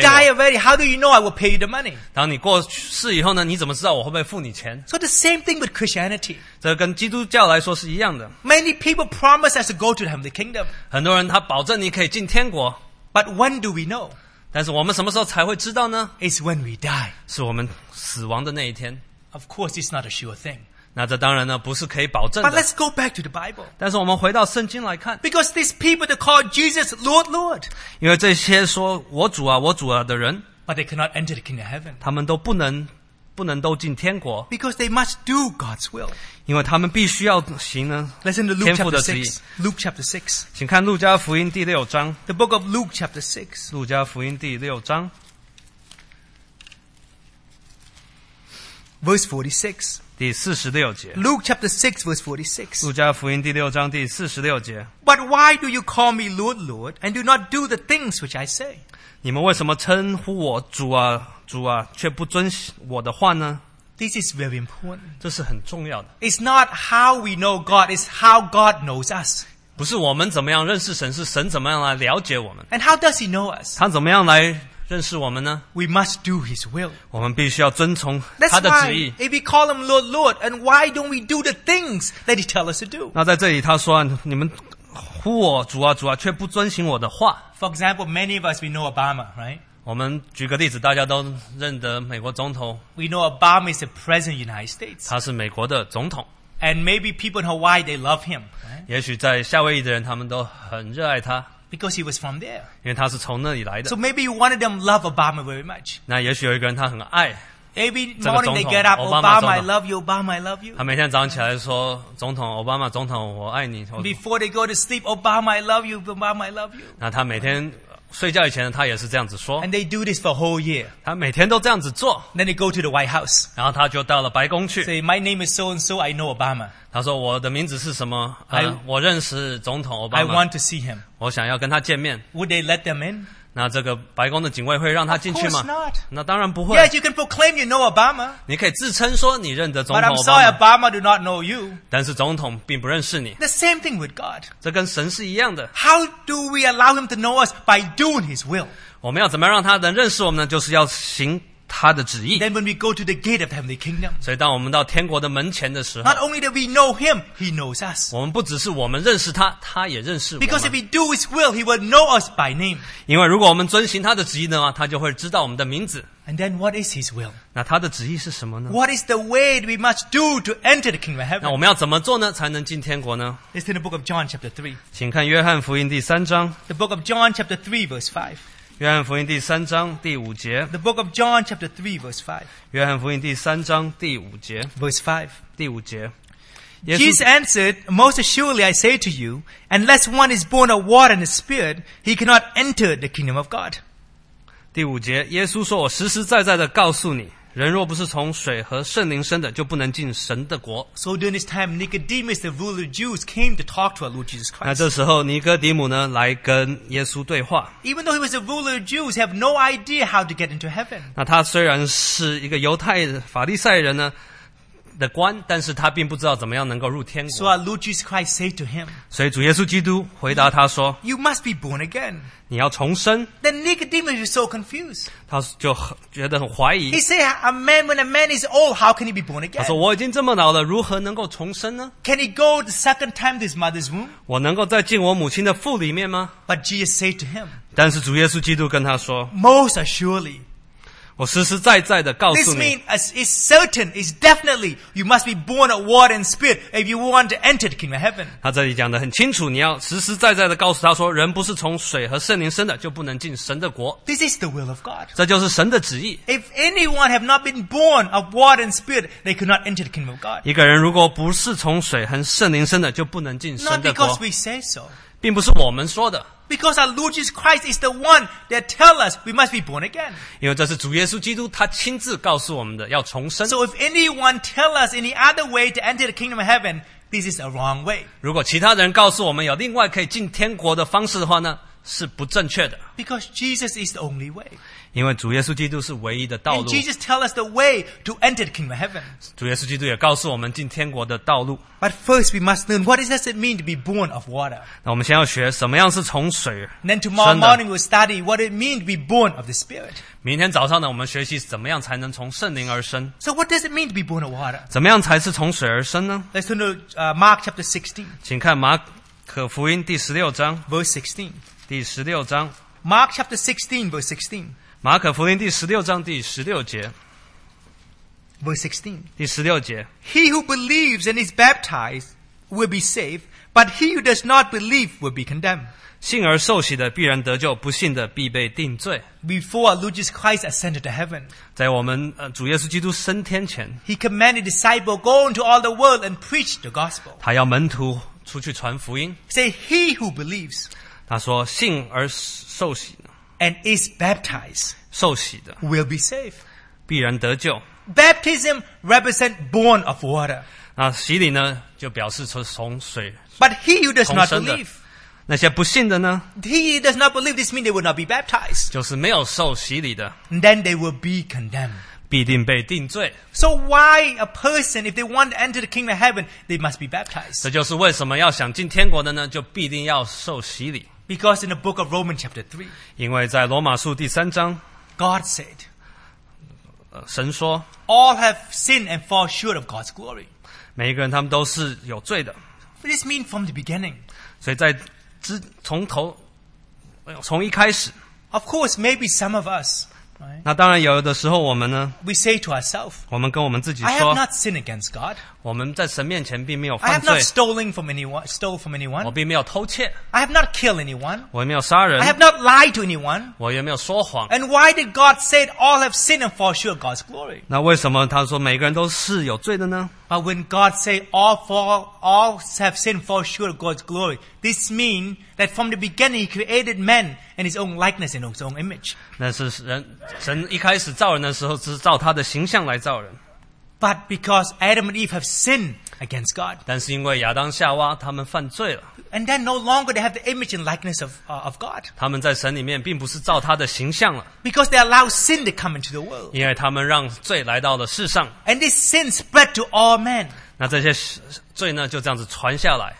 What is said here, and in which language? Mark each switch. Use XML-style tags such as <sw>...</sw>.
<en>我。If you die already, how do you know I will pay you the money?</en> <zh>当你过世以后呢，你怎么知道我会不会付你钱</zh> <en>？So the same thing with Christianity.</en> <zh>这跟基督教来说是一样的。</zh> <en>Many people promise us to go to the kingdom.</en> <zh>很多人他保证你可以进天国。</zh> <en>But when do we know?</en> <zh>但是我们什么时候才会知道呢</zh> <en>？It's when we die.</en> <zh>是我们死亡的那一天。</zh> <en>Of course, it's not a sure thing.</en> <zh>那这当然呢，不是可以保证的。</zh> <en>But let's go back to the Bible.</en> <zh>但是我们回到圣经来看。</zh> <en>Because these people that call Jesus Lord, Lord.</en> <zh>因为这些说我主啊，我主啊的人。</zh> <en>But they cannot enter the kingdom of heaven.</en> <zh>他们都不能都进天国。</zh> <en>Because they must do God's will.</en> <zh>因为他们必须要行呢。</zh> <en>Listen to Luke chapter 6. Luke chapter 6.</en> <zh>请看路加福音第六章。</zh> <en>The book of Luke chapter 6.</en> <zh>路加福音第六章。</zh> <en>Verse 46.</en> <zh>第46节。</zh> <en>Luke chapter 6 verse 46.</en> <zh>路加福音第六章第46节。</zh> <en>But why do you call me Lord, Lord, and do not do the things which I say?</en> <zh>你们为什么称呼我主啊？主啊，却不遵我的话呢？</zh> <en>This is very important.</en> <zh>这是很重要的。</zh> <en>It's not how we know God, it's how God knows us.</en> <zh>不是我们怎么样认识神，是神怎么样来了解我们。</zh> <en>And how does he know us?</en> <zh>他怎么样来认识我们呢？</zh> <en>We must do his will.</en> <zh>我们必须要遵从他的旨意。</zh> <en>That's why, if we call him Lord, Lord, and why don't we do the things that he tells us to do?</en> <zh>那在这里他说，你们呼我主啊，主啊，却不遵行我的话。</zh> <en>For example, many of us, we know Obama, right?</en> <zh>我们举个例子，大家都认得美国总统。</zh> <en>We know Obama is the president of the United States.</en> <zh>他是美国的总统。</zh> <en>And maybe people in Hawaii they love him.</en> <zh>也许在夏威夷的人，他们都很热爱他。</zh> <en>Because he was from there.</en> <zh>因为他是从那里来的。</zh> <en>So maybe one of them love Obama very much.</en> <zh>那也许有一个人他很爱。</zh> <en>Every morning they get up, Obama, I love you, Obama, I love you.</en> <zh>他每天早上起来说，总统 ，Obama， 总统，我爱你。</zh> <en>Before they go to sleep, Obama, I love you, Obama, I love you.</en> <zh>那他每天。睡觉以前他也是这样子说。</zh> <en>And they do this for a whole year.</en> <zh>他每天都这样子做。</zh> <en>Then they go to the White House.</en> <zh>然后他就到了白宫去。</zh> <en>Say, my name is so and so, I know Obama.</en> <zh>他说我的名字是什么？我认识总统奥巴马。</zh> <en>I want to see him.</en> <zh>我想要跟他见面。</zh> <en>Would they let them in?</en> <zh>那这个白宫的警卫会让他进去吗？</zh> <en>Of course not.</en> <zh>那当然不会。</zh> <en>Yes, you can proclaim you know Obama.</en> <zh>你可以自称说你认得总统奥巴马。</zh> <en>But I'm sorry, Obama do not know you.</en> <zh>但是总统并不认识你。</zh> <en>The same thing with God.</en> <zh>这跟神是一样的。</zh> <en>How do we allow him to know us by doing his will?</en> <zh>我们要怎么样让他能认识我们呢？就是要行他的旨意。</zh> <en>Then when we go to the gate of the heavenly kingdom.</en> <zh>所以当我们到天国的门前的时候。</zh> <en>Not only that we know him, he knows us.</en> <zh>我们不只是我们认识他，他也认识我们。</zh> <en>Because if we do his will, he will know us by name.</en> <zh>因为如果我们遵行他的旨意的话，他就会知道我们的名字。</zh> <en>And then what is his will?</en> <zh>那他的旨意是什么呢？</zh> <en>What is the way we must do to enter the kingdom of heaven?</en> <zh>那我们要怎么做呢，才能进天国呢？</zh> <en>It's in the book of John chapter 3.</en> <zh>请看约翰福音第三章。</zh> <en>The book of John chapter 3 verse 5.</en> <zh>约翰福音第三章第五节。</zh> <en>The book of John chapter 3 verse 5.</en> <zh>约翰福音第三章第五节。</zh> <en>Verse 5.</en> <zh>第五节。</zh> <en>Jesus answered, Most assuredly I say to you, unless one is born of water and the Spirit, he cannot enter the kingdom of God.</en> <zh>第五节，耶稣说，我实实在在的告诉你，人若不是从水和圣灵生的，就不能进神的国。</zh> <en>So during this time, Nicodemus, the ruler of the Jews, came to talk to our Lord Jesus Christ.</en> <zh>那这时候，尼哥底母呢，来跟耶稣对话。</zh> <en>Even though he was a ruler of the Jews, have no idea how to get into heaven.</en> <zh>那他虽然是一个犹太法利赛人呢的官，但是他并不知道怎么样能够入天国。</zh> <en>So our Lord Jesus Christ said to him.</en> <zh>所以主耶稣基督回答他说</zh> <en>，You must be born again.</en> <zh>你要重生。</zh> <en>Then Nicodemus was so confused.</en> <zh>他就觉得很怀疑。</zh> <en>He said, "A man when a man is old, how can he be born again?"</en> <zh>他说我已经这么老了，如何能够重生呢</zh> <en>？Can he go the second time to his mother's womb?</en> <zh>我能够再进我母亲的腹里面吗</zh> <en>？But Jesus said to him.</en> <zh>但是主耶稣基督跟他说</zh> <en>，Most assuredly.</en> <zh>我实实在在的告诉你。</zh> <en>This means it's certain, it's definitely, you must be born of water and spirit if you want to enter the kingdom of heaven.</en> <zh>他这里讲得很清楚，你要实实在在的告诉他说，人不是从水和圣灵生的，就不能进神的国。</zh> <en>This is the will of God.</en> <zh>这就是神的旨意。</zh> <en>If anyone have not been born of water and spirit, they could not enter the kingdom of God.</en> <zh>一个人如果不是从水和圣灵生的，就不能进神的国。</zh> <en>Not because we say so.</en> <zh>并不是我们说的。</zh> <en>Because our Lord Jesus Christ is the one that tells us we must be born again.</en> <zh>因为这是主耶稣基督他亲自告诉我们的，要重生。</zh> <en>So if anyone tells us any other way to enter the kingdom of heaven, this is a wrong way.</en> <zh>如果其他人告诉我们有另外可以进天国的方式的话呢，是不正确的。</zh> <en>Because Jesus is the only way.</en> <zh>因为主耶稣基督是唯一的道路。</zh> <en>And Jesus tells us the way to enter the kingdom of heaven.</en> <zh>主耶稣基督也告诉我们进天国的道路。</zh> <en>But first we must learn what does it mean to be born of water.</en> <zh>那我们先要学什么样是从水生的。</zh> <en>Then tomorrow morning we'll study what it means to be born of the Spirit.</en> <zh>明天早上呢，我们学习怎么样才能从圣灵而生。</zh> <en>So what does it mean to be born of water?</en> <zh>怎么样才是从水而生呢？</zh> <en>Let's turn to Mark chapter 16.</en> <zh>请看马可福音第十六章。</zh> <en>Verse 16.</en> <zh>第十六章</zh> <en>Mark chapter 16 verse 16</en> <zh>马可福音第十六章第十六节</zh> <en>verse 16</en> <zh>第十六节</zh> <en>He who believes and is baptized will be saved, but he who does not believe will be condemned.</en> <zh>信而受洗的必然得救，不信的必被定罪。</zh> <en>Before our Lord Jesus Christ ascended to heaven,</en> <zh>在我们主耶稣基督升天前</zh> <en>He commanded disciples go into all the world and preach the gospel.</en> <zh>他要门徒出去传福音。</zh> <en>Say he who believes.</en> <zh>他说信而受洗</zh> <en>and is baptized</en> <zh>受洗的</zh> <en>will be saved</en> <zh>必然得救</zh> <en>baptism represents born of water</en> <zh>那洗礼呢就表示从水</zh> <en>but he who does not believe</en> <zh>那些不信的呢</zh> <en>he does not believe this means they will not be baptized</en> <zh>就是没有受洗礼的</zh> <en>then they will be condemned</en> <zh>必定被定罪</zh> <en>so why a person if they want to enter the kingdom of heaven they must be baptized</en> <zh>这就是为什么要想进天国的呢就必定要受洗礼</zh> <en>because in the book of Romans chapter 3</en> <zh>因为在罗马书第三章</zh> <en>God said</en> <zh>神说</zh> <en>all have sinned and fall short of God's glory</en> <zh>每一个人他们都是有罪的</zh> <en>this means from the beginning</en> <zh>所以在从头从一开始</zh> <en>of course maybe some of us</en> <zh>那当然有的时候我们呢</zh> <en>we say to ourselves,</en> <zh>我们跟我们自己说</zh> <en>I have not sinned against God.</en> <zh>我们在神面前并没有犯罪</zh> <en>I have not stole from anyone.</en> <zh>我并没有偷窃</zh> <en>I have not killed anyone.</en> <zh>我也没有杀人</zh> <en>I have not lied to anyone.</en> <zh>我也没有说谎</zh> <en>And why did God say all have sinned and fall short of God's glory?</en> <zh>那为什么他说每个人都是有罪的呢</zh> <en>But when God say all have sinned and fall short of God's glory, this means that from the beginning he created men and his own likeness and his own image.</en> <zh>那是人神一开始造人的时候是照他的形象来造人</zh> <en>But because Adam and Eve have sinned against God</en> <zh>但是因为亚当夏娃他们犯罪了</zh> <en>And then no longer they have the image and likeness of God</en> <zh>他们在神里面并不是照他的形象了</zh> <en>Because they allow sin to come into the world</en> <zh>因为他们让罪来到了世上</zh> <en>And this sin spread to all men</en> <zh>那这些罪呢就这样子传下来</zh>